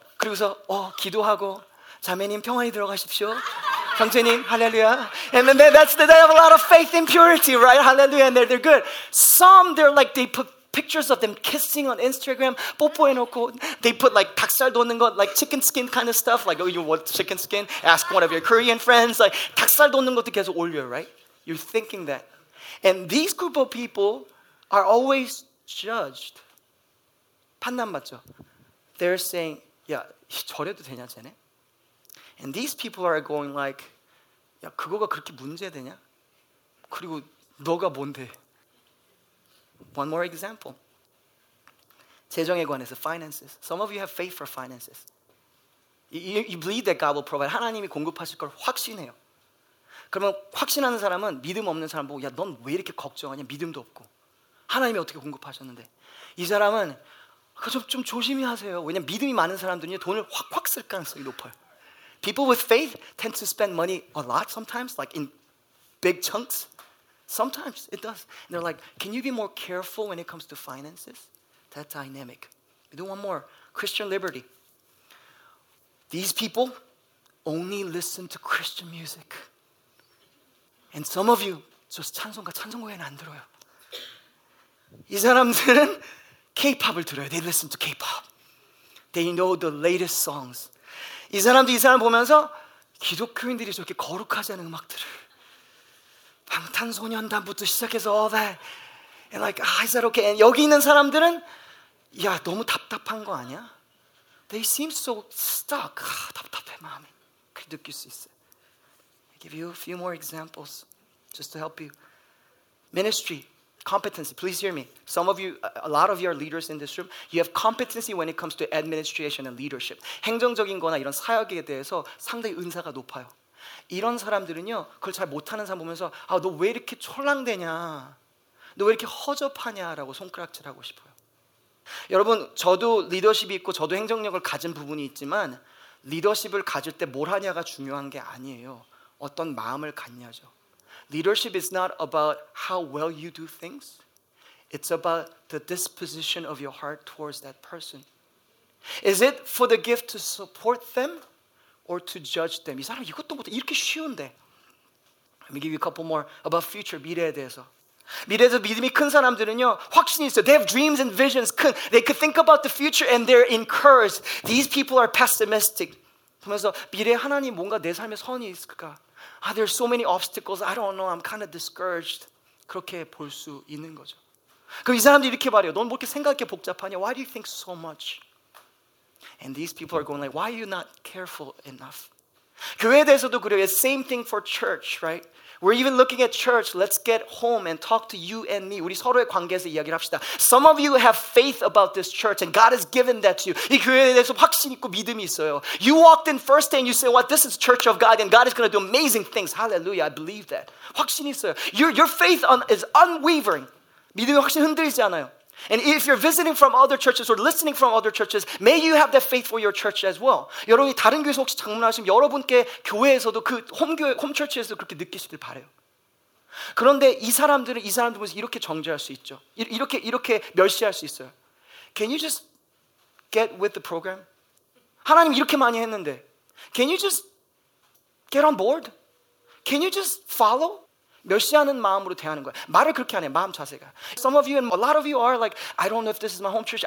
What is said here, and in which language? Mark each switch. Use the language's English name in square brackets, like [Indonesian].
[Korean] 그리고서 기도하고 자매님 평안히 들어가십시오. 형제님 할렐루야. [English] And then they have a lot of faith in purity, right? Hallelujah. And they're good. Some they're like they put pictures of them kissing on Instagram. [Korean] 뽀뽀해 놓고 [English] they put like [Korean] 닭살 돋는 거 [English] like chicken skin kind of stuff. Like oh, you want chicken skin? Ask one of your Korean friends. Like [Korean] 닭살 돋는 것도 계속 올려, [English] right? You're thinking that. And these group of people are always judged. [Korean] 판단받죠. [English] They're saying [Korean] 야, 저래도 되냐, 쟤네? [English] And these people are going like, [Korean] 야, 그거가 그렇게 문제 되냐? 그리고 너가 뭔데? [English] One more example. [Korean] 재정에 관해서, [English] finances. Some of you have faith for finances. You believe that God will provide. [Korean] 하나님이 공급하실 걸 확신해요. 그러면 확신하는 사람은 믿음 없는 사람 보고, 야, 넌 왜 이렇게 걱정하냐? 믿음도 없고. 하나님이 어떻게 공급하셨는데? 이 사람은 좀 조심히 하세요. 왜냐면 믿음이 많은 사람들은 돈을 확확 쓸 가능성이 높아요. [English] People with faith tend to spend money a lot sometimes, like in big chunks. Sometimes it does. And they're like, can you be more careful when it comes to finances? That dynamic. Do one more. Christian liberty. These people only listen to Christian music. And some of you, [Korean] 저 찬송가, 찬송가에는 안 들어요. 이 사람들은 K-pop을 들어요. [English] They listen to K-pop. They know the latest songs. [Korean] 이 사람도 이 사람 보면서 기독교인들이 저렇게 거룩하지 않은 음악들을 방탄소년단부터 시작해서 [English] all that and like, ah, is that okay? [Korean] And 여기 있는 사람들은 야, 너무 답답한 거 아니야? [English] They seem so stuck. [Korean] 아, 답답해, 마음이. 그렇게 느낄 수 있어요. [English] I'll give you a few more examples just to help you. Ministry, competency. Please hear me. Some of you, a lot of you are leaders in this room. You have competency when it comes to administration and leadership. [Korean] 행정적인 거나 이런 사역에 대해서 상당히 은사가 높아요. 이런 사람들은요, 그걸 잘 못하는 사람 보면서 아, 너 왜 이렇게 촐랑대냐? 너 왜 이렇게 허접하냐라고 손가락질하고 싶어요. 여러분, 저도 리더십이 있고 저도 행정력을 가진 부분이 있지만 리더십을 가질 때 뭘 하냐가 중요한 게 아니에요. 어떤 마음을 갖냐죠. [English] Leadership is not about how well you do things. It's about the disposition of your heart towards that person. Is it for the gift to support them or to judge them? [Korean] 이 사람 이것도 못해. 이렇게 쉬운데. [English] Let me give you a couple more about future, [Korean] 미래에 대해서. 미래에서 믿음이 큰 사람들은요 확신이 있어요. [English] They have dreams and visions. They could think about the future and they're encouraged. These people are pessimistic. [Korean] 그러면서 미래에 하나님 뭔가 내 삶에 선이 있을까? [English] Ah, there are so many obstacles. I don't know. I'm kind of discouraged. [Korean] 그렇게 볼 수 있는 거죠. 그럼 이 사람들이 이렇게 말해요. 넌 왜 이렇게 생각이 복잡하냐? [English] Why do you think so much? And these people are going like, why are you not careful enough? [Korean] 교회에 대해서도 그래요. [English] It's same thing for church, right? We're even looking at church. Let's get home and talk to you and me. [Korean] 우리 서로의 관계에서 이야기를 합시다. [English] Some of you have faith about this church and God has given that to you. [Korean] 이 교회에 대해서 확신 있고 믿음이 있어요. [English] You walked in first day and you say, what, this is church of God and God is going to do amazing things. Hallelujah, I believe that. [Korean] 확신이 있어요. [English] Your faith is unwavering. [Korean] 믿음이 확신 흔들리지 않아요. [English] And if you're visiting from other churches or listening from other churches, may you have that faith for your church as well. [Korean] 여러분이 다른 교회에서 혹시 방문하시면 여러분께 교회에서도 그 홈교회, 홈처치에서 그렇게 느끼시길 바라요. 그런데 이 사람들 보면서 이렇게 정죄할 수 있죠. 이렇게 멸시할 수 있어요. [English] Can you just get with the program? [Korean] 하나님 이렇게 많이 했는데. [English] Can you just get on board? Can you just follow? [Korean] 멸시하는 마음으로 대하는 거야. 말을 그렇게 안 해. 마음 자세가. [English] Some of you and a lot of you are like, I don't know if this is my home church.